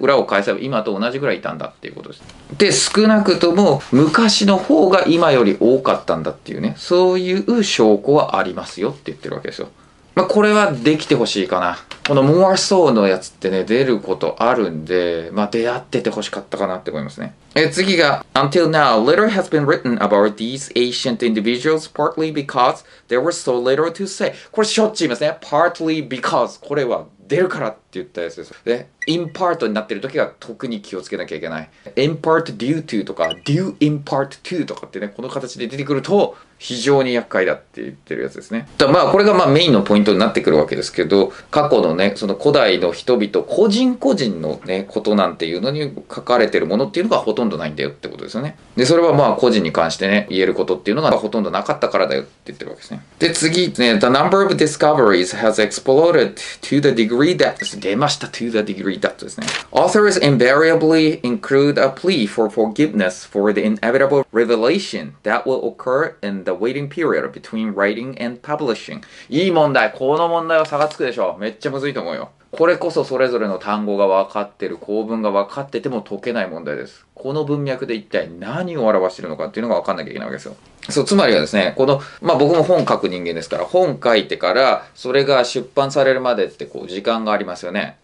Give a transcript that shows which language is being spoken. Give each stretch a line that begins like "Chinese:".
Japanese: 裏を返せば今と同じぐらいいたんだっていうことです。で、少なくとも昔の方が今より多かったんだっていうね、そういう証拠はありますよって言ってるわけですよ。まあ、これはできてほしいかな。この more so のやつってね、出ることあるんで、まあ、出会っててほしかったかなって思いますね。
English: 次が、Until now, little has been written about these ancient individuals, partly because there was so little to say.
Japanese: これしょっちゅう言いますね。
English: partly because。
Japanese: これは出るからって言ったやつです。で、in part になってる時は特に気をつけなきゃいけない。
English: in part due to
Japanese: とか、
English: due in part to
Japanese: とかってね、この形で出てくると、非常に厄介だって言ってるやつですね。だまあこれがまあメインのポイントになってくるわけですけど、過去のね、その古代の人々個人個人のね、ことなんていうのに書かれてるものっていうのがほとんどないんだよってことですよね。で、それはまあ個人に関してね、言えることっていうのがほとんどなかったからだよって言ってるわけですね。で、次、ね、
English: The number of discoveries has exploded to the degree that
Japanese: 出ました
English: to the degree that
Japanese: ですね。
English: Authors invariably include a plea for forgiveness for the inevitable revelation that will occur inThe waiting period between writing and publishing.
Japanese: いい問題。この問題は差がつくでしょう。めっちゃむずいと思うよ。これこそそれぞれの単語が分かってる、構文が分かってても解けない問題です。この文脈で一体何を表してるのかっていうのが分かんなきゃいけないわけですよ。そう、つまりはですね、この、まあ僕も本書く人間ですから、本書いてからそれが出版されるまでってこう時間がありますよね。